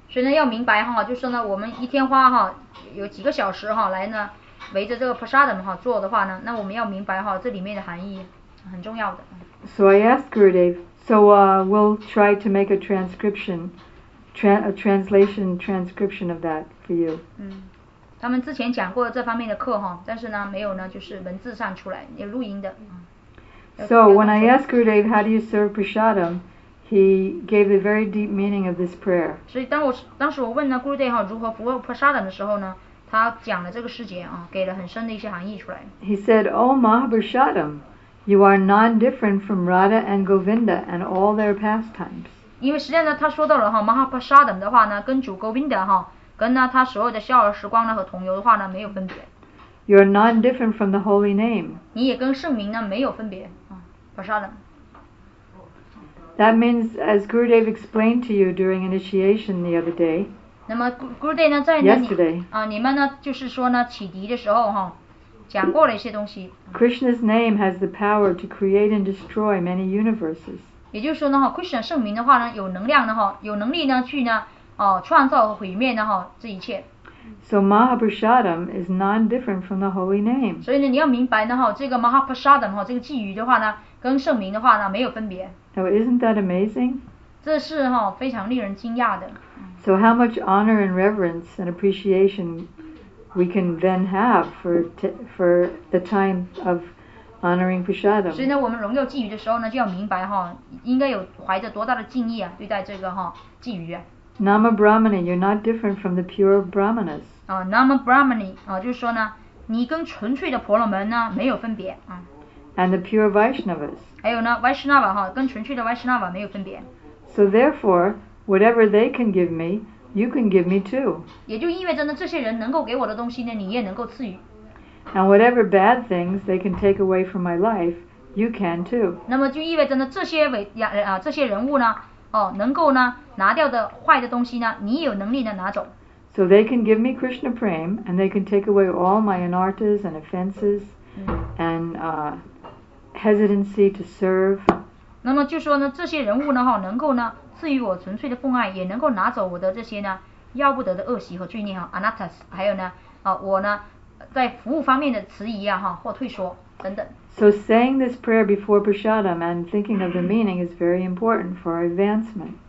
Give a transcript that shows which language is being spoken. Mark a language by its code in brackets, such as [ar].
[zh] 所以呢要明白哈，就是呢我们一天花哈有几个小时哈来呢。围着这个 prasadam 哈做的话呢，那我们要明白哈这里面的含义很重要的。 [en] So I asked Gurudev, so we'll try to make a transcription, a translation transcription of that for you. [zh] 他们之前讲过这方面的课哈，但是呢，没有呢，就是文字上出来，有录音的。 [en] So when I asked Gurudev, how do you serve prasadam, he gave the very deep meaning of this prayer. [zh] 所以当时我问呢 Gurudev 如何服务 prasadam 的时候呢，他讲了这个细节啊，给了很深的一些含义出来。 [en] He said, Oh Mahaprasadam, you are non-different from Radha and Govinda and all their pastimes. [zh] 因为实际上呢，他说到了哈 Mahaprasadam 的话呢，跟主 Govinda 哈。跟呢他所有的笑儿时光呢和同游的话呢没有分别。 [en] You are not different from the holy name. [zh] 你也跟圣名呢没有分别啊 ，prasadam。 [en] That means, as Gurudev explained to you during initiation the other day. [zh] 那么 Gurudev 呢在 [en] yesterday [zh] 啊你们呢就是说呢启迪的时候哈讲过了一些东西。 [en] Krishna's name has the power to create and destroy many universes. [zh] 也就是说呢哈 Krishna 圣名的话呢有能量的哈有能力呢去呢。哦，创造和毁灭呢？哈，这一切。 [en] So Mahaprasadam is non-different from the holy name. [zh] 所以呢，你要明白呢，哈，这个 Mahaprasadam 哈，这个寄语的话呢，跟圣名的话呢，没有分别。 [en] Now isn't that amazing? [zh] 这是哈，非常令人惊讶的。 [en] So how much honor and reverence and appreciation we can then have for the time of honoring Prasadam? [zh] 所以呢，我们荣耀寄语的时候呢，就要明白哈，应该有怀着多大的敬意啊，对待这个哈寄语啊。 [en] Nama Brahmani, you're not different from the pure Brahmanas. [zh] Nama Brahmani, 就是说呢，你跟纯粹的婆罗门呢没有分别。 [en] And the pure Vaishnavas. [zh] 还有呢 ，Vaishnava 哈，跟纯粹的 Vaishnava 没有分别。 [en] So therefore, whatever they can give me, you can give me too. [zh] 也就意味着呢，这些人能够给我的东西呢，你也能够赐予。 [en] And whatever bad things they can take away from my life, you can too. [zh] 那么就意味着呢，这些人物呢。哦，能够呢拿掉的坏的东西呢，你有能力呢拿走。 [en] So they can give me Krishna prema, and they can take away all my anartas and offenses, and hesitancy to serve. [zh] 那么就说呢，这些人物呢哈，能够呢赐予我纯粹的奉爱，也能够拿走我的这些呢要不得的恶习和罪孽哈 ，anartas， 还有呢，我呢在服务方面的迟疑啊哈或退缩等等。 [en] So saying this prayer before prasadam and thinking of the meaning is very important for our advancement.